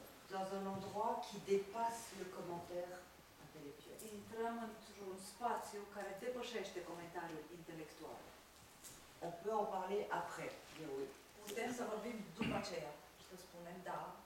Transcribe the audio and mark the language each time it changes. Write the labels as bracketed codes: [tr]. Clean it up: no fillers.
[fr] dans un endroit qui dépasse le commentaire intellectuel. [ro] Intrăm într-un spațiu care depășește comentariul intelectual. [fr] On peut en parler après, mais oui. [ro] Putem să vorbim după aceea și să spunem da.